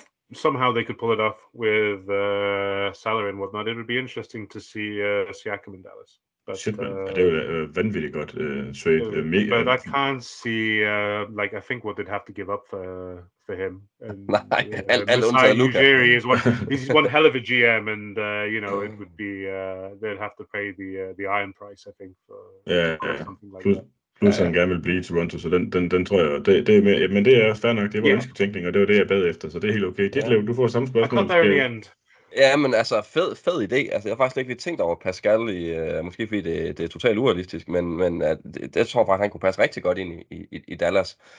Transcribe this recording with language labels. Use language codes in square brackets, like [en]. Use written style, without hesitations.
[en] If somehow they could pull it off with salary and whatnot, it would be interesting to see Siakam in Dallas. But, shit, man. [da] Det er jo vanvittigt godt trade. [en] But I can't see, I think what they'd have to give up for him. [da] Nej, alt undtager Luka. [en] He's one hell of a GM, and, you know, it would be, they'd have to pay the iron price, I think, for something like that. [da] Plus han gerne vil blive i Toronto, så den tror jeg, men det er fair nok, det var ønsketænkning, og det var det, jeg bad efter, så det er helt okay. Ditlev, du får samme spørgsmål. [en] I got there in the end. [da] Ja, men altså, fed idé. Altså, jeg har faktisk ikke lige tænkt over Pascal, måske fordi det er totalt urealistisk, men det tror jeg faktisk, han kunne passe rigtig godt ind i Dallas.